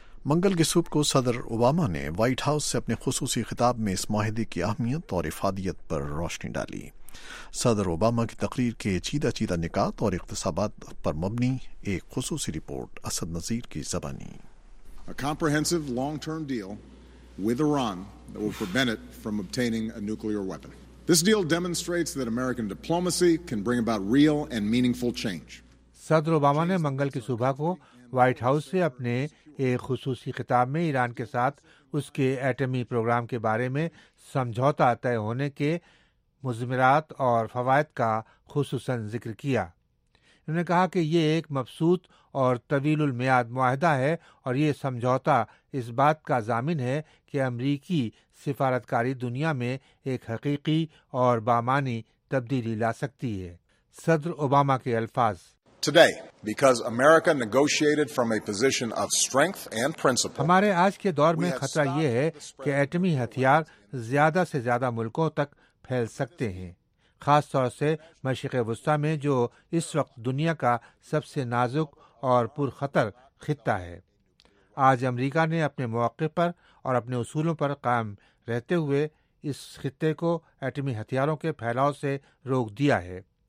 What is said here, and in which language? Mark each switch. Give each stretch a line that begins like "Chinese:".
Urdu: منگل کے صبح کو صدر اوباما نے وائٹ ہاؤس سے اپنے خصوصی خطاب میں اس معاہدے کی اہمیت اور افادیت پر روشنی ڈالی. صدر اوباما کی تقریر کے چیدہ چیدہ نکات اور اقتصابات پر مبنی ایک خصوصی رپورٹ اسد نذیر کی زبانی.
English: A comprehensive long-term deal with Iran that will prevent it from obtaining a nuclear weapon. This deal demonstrates that American diplomacy can bring about real and meaningful change.
Urdu: صدر اوباما نے منگل کی صبح کو وائٹ ہاؤس سے اپنے ایک خصوصی خطاب میں ایران کے ساتھ اس کے ایٹمی پروگرام کے بارے میں سمجھوتا طے ہونے کے مضمرات اور فوائد کا خصوصاً ذکر کیا. انہوں نے کہا کہ یہ ایک مبسوط اور طویل المیاد معاہدہ ہے اور یہ سمجھوتا اس بات کا ضامن ہے کہ امریکی سفارتکاری دنیا میں ایک حقیقی اور بامانی تبدیلی لا سکتی ہے. صدر اوباما کے الفاظ:
English: Today, because America negotiated from a position of strength and principle,
Urdu: ہمارے آج کے دور میں خطرہ یہ ہے کہ ایٹمی ہتھیار زیادہ سے زیادہ ملکوں تک پھیل سکتے ہیں, خاص طور سے مشرق وسطی میں جو اس وقت دنیا کا سب سے نازک اور پرخطر خطہ ہے. آج امریکہ نے اپنے مواقع پر اور اپنے اصولوں پر قائم رہتے ہوئے اس خطے کو ایٹمی ہتھیاروں کے پھیلاؤ سے روک دیا ہے.